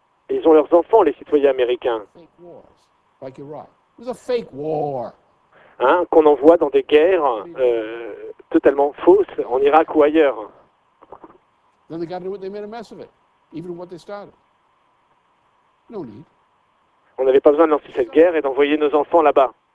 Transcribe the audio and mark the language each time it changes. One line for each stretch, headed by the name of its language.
French: Ils ont leurs enfants, les citoyens américains. Qu'on envoie dans des guerres totalement fausses en Irak ou ailleurs.
English: Then they got into it, they made a mess of it, even what they started. No need.
French: On n'avait pas besoin de lancer cette guerre et d'envoyer nos enfants là-bas.